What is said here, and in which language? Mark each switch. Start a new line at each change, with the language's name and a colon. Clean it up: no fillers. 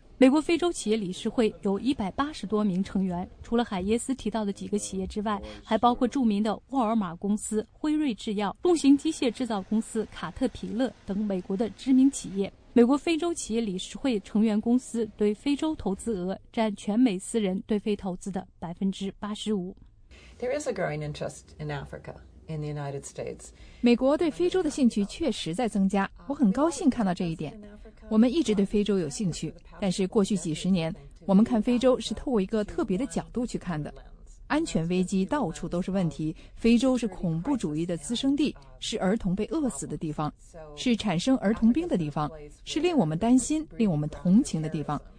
Chinese: 美国非洲企业理事会有180多名成员，除了海耶斯提到的几个企业之外，还包括著名的沃尔玛公司、辉瑞制药、重型机械制造公司卡特皮勒等美国的知名企业。美国非洲企业理事会成员公司对非洲投资额占全美私人对非投资的85%。
English: There is a growing interest in Africa in the United States.
Chinese: 美国对非洲的兴趣确实在增加，我很高兴看到这一点。我们一直对非洲有兴趣，但是过去几十年，我们看非洲是透过一个特别的角度去看的。安全危机到处都是问题，非洲是恐怖主义的滋生地，是儿童被饿死的地方，是产生儿童病的地方，是令我们担心、令我们同情的地方。